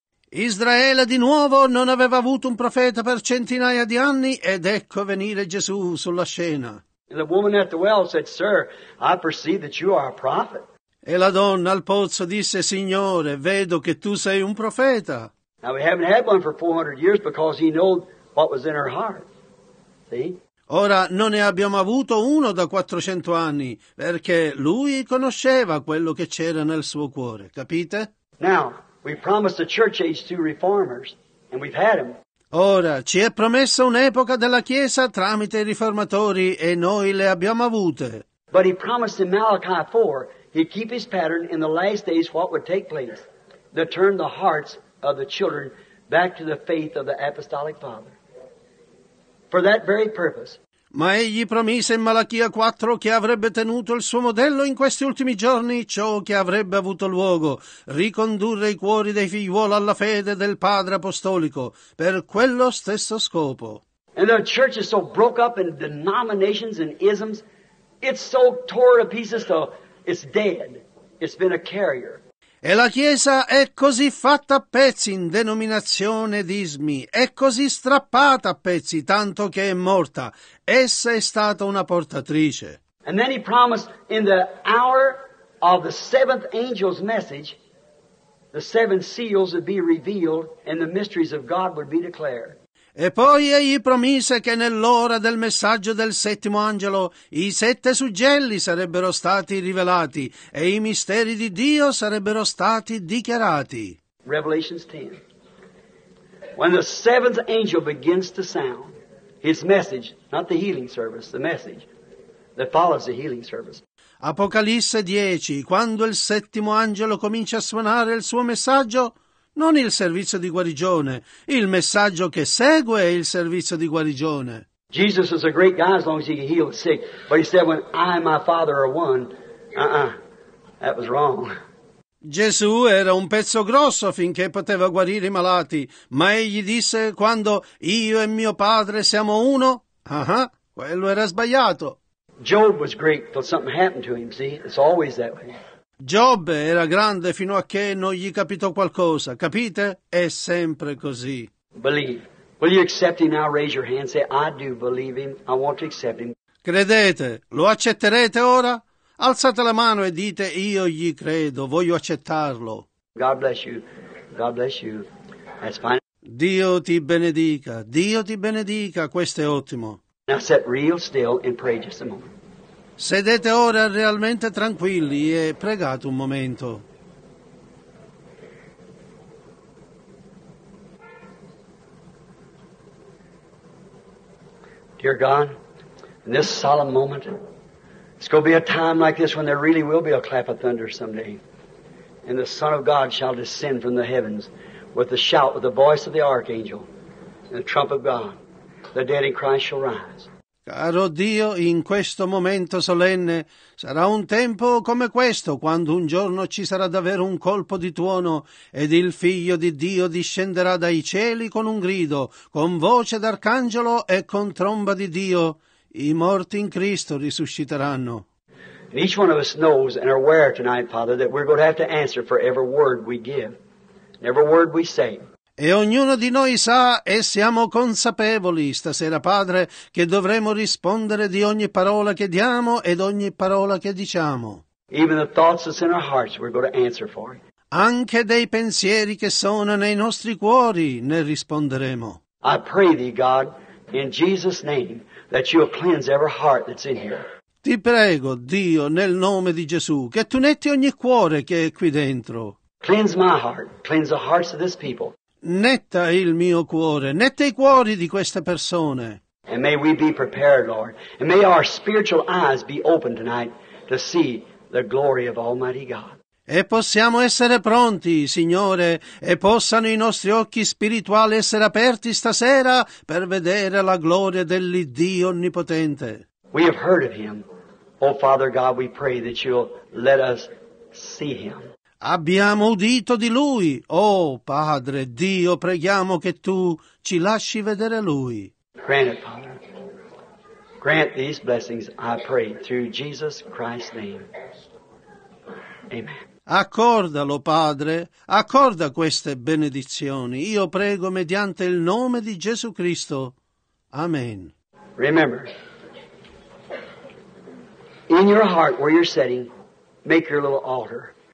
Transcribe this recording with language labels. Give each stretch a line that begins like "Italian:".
Italian: Israele di nuovo non aveva avuto un profeta per centinaia di anni, ed ecco venire Gesù sulla scena.
English: And the woman at the well said, Sir, I perceive that you are a prophet.
Italian: E la donna al pozzo disse, Signore, vedo che tu sei un profeta.
English: Now we haven't had one for 400 years because he knew what was in her heart. See?
Italian: Ora non ne abbiamo avuto uno da 400 anni, perché lui conosceva quello che c'era nel suo cuore, capite?
English: Now, we promised the church age to reformers, and we've had them.
Italian: Ora, ci è promessa un'epoca della Chiesa tramite i riformatori, e noi le abbiamo avute.
English: But he promised in Malachi 4... He'd keep his pattern in the last days what would take place to turn the hearts of the children back to the faith of the apostolic father. For that very purpose.
Italian: Ma egli promise in Malachia 4 che avrebbe tenuto il suo modello in questi ultimi giorni ciò che avrebbe avuto luogo, ricondurre i cuori dei figliuoli alla fede del padre apostolico per quello stesso scopo.
English: And the church is so broke up in denominations and isms, it's so tore to pieces though. It's dead. It's been a carrier.
Italian: E la Chiesa è così fatta a pezzi in denominazione ed ismi, è così strappata a pezzi, tanto che è morta. Essa è stata una portatrice.
English: And then he promised in the hour of the seventh angel's message, the seven seals would be revealed and the mysteries of God would be declared.
Italian: E poi egli promise che nell'ora del messaggio del settimo angelo i sette suggelli sarebbero stati rivelati e i misteri di Dio sarebbero stati dichiarati.
English: Revelation 10. When the seventh angel begins to sound his message, not the healing service, the message that follows the healing service.
Italian: Apocalisse 10. Quando il settimo angelo comincia a suonare il suo messaggio, non il servizio di guarigione, il messaggio che segue è il servizio di guarigione.
English: Jesus is a great guy as long as he can heal the sick. But he said, when I and my Father are one, that was wrong.
Italian: Gesù era un pezzo grosso finché poteva guarire i malati, ma egli disse quando io e mio padre siamo uno, quello era sbagliato.
English: Job was great till something happened to him, see? It's always that way.
Italian: Giobbe era grande fino a che non gli capitò qualcosa, capite? È sempre così.
English: Believe. Will you accept him now? Raise your hand. Say, I do believe him. I want to accept him.
Italian: Credete? Lo accetterete ora? Alzate la mano e dite, io gli credo, voglio accettarlo.
English: God bless you. God bless you. That's fine.
Italian: Dio ti benedica. Dio ti benedica. Questo è ottimo.
English: Now sit real still and pray just a moment.
Italian: Sedete ora realmente tranquilli e pregate un momento.
English: Dear God, in this solemn moment, it's going to be a time like this when there really will be a clap of thunder someday. And the Son of God shall descend from the heavens with the shout, with the voice of the archangel, and the trump of God. The dead in Christ shall rise.
Italian: Caro Dio, in questo momento solenne sarà un tempo come questo, quando un giorno ci sarà davvero un colpo di tuono ed il Figlio di Dio discenderà dai cieli con un grido, con voce d'arcangelo e con tromba di Dio. I morti in Cristo risusciteranno.
English: And each one of us knows and are aware tonight, Father, that we're going to have to answer for every word we give, every word we say.
Italian: E ognuno di noi sa e siamo consapevoli stasera, Padre, che dovremo rispondere di ogni parola che diamo ed ogni parola che diciamo.
English: Even the thoughts that's in our hearts, we're going to answer for.
Italian: Anche dei pensieri che sono nei nostri cuori ne risponderemo.
English: I pray thee, God, in Jesus' name, that you'll cleanse every heart that's in here.
Italian: Ti prego, Dio, nel nome di Gesù, che tu netti ogni cuore che è qui dentro.
English: Cleanse my heart, cleanse the hearts of this people.
Italian: Netta il mio cuore, netta i cuori di queste persone.
English: And may we be prepared, Lord. And may our spiritual eyes be open tonight to see the glory of Almighty God.
Italian: E possiamo essere pronti, Signore, e possano i nostri occhi spirituali essere aperti stasera per vedere la gloria dell'Iddio Onnipotente.
English: We have heard of him. Oh, Father God, we pray that you'll let us see him.
Italian: Abbiamo udito di Lui. Oh, Padre, Dio, preghiamo che Tu ci lasci vedere Lui.
English: Grant it, Father. Grant these blessings, I pray, through Jesus Christ's name. Amen.
Italian: Accordalo, Padre. Accorda queste benedizioni. Io prego mediante il nome di Gesù Cristo. Amen.
English: Remember, in your heart, where you're sitting, make your little altar.